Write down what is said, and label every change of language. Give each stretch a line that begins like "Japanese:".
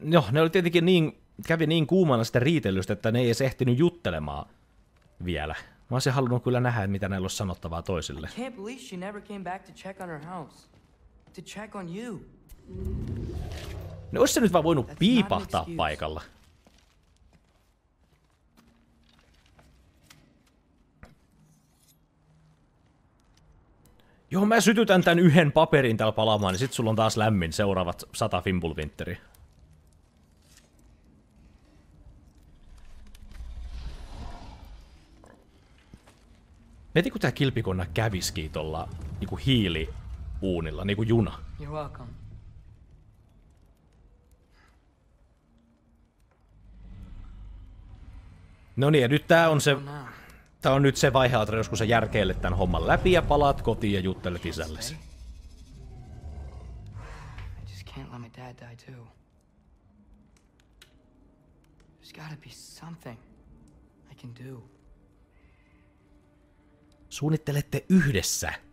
Finnish: Ne oli tietenkin kävi niin kuumana sitä riitelystä, että ne ei edes ehtinyt juttelemaan vielä. Mä olisin halunnut kyllä nähdä, mitä näillä olisi sanottavaa toisille.
English: I can't believe she never came back to check on her house. To check on you.
Finnish: No, olisi se nyt vaan voinut piipahtaa paikalla. Joo, mä sytytän tän yhden paperin täällä palaamaan, niin sit sulla on taas lämmin seuraavat 100 fimbulvintteriä. Mieti, kun tää kilpikonna käviskii tolla niinku hiiliuunilla, niinku juna.
English: You're welcome.
Finnish: No niin, ja nyt tää on nyt se vaihe, Atreus, kun sä järkeilet tän homman läpi ja palaat kotiin ja juttelet isällesi.
English: I just can't let my dad die too. There's gotta be something I can do.
Finnish: Suunnittelette yhdessä.